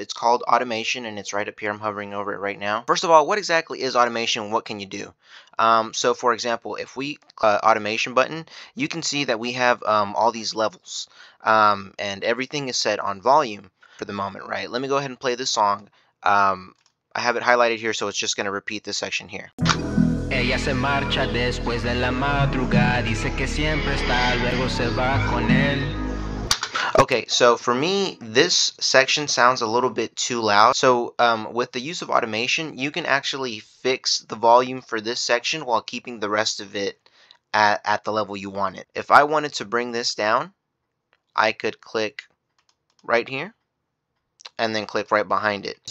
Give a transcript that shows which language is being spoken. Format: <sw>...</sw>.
<en>It's called automation, and it's right up here. I'm hovering over it right now. First of all, what exactly is automation? What can you do? So for example, if we automation button, you can see that we have all these levels, and everything is set on volume for the moment, right? Let me go ahead and play this song. I have it highlighted here, so it's just going to repeat this section here.</en> <es>Ella se marcha después de la madrugada, dice que siempre está, luego se va con él.</es> <en>Okay, so for me, this section sounds a little bit too loud. So with the use of automation, you can actually fix the volume for this section while keeping the rest of it at the level you want it. If I wanted to bring this down, I could click right here and then click right behind it.</en>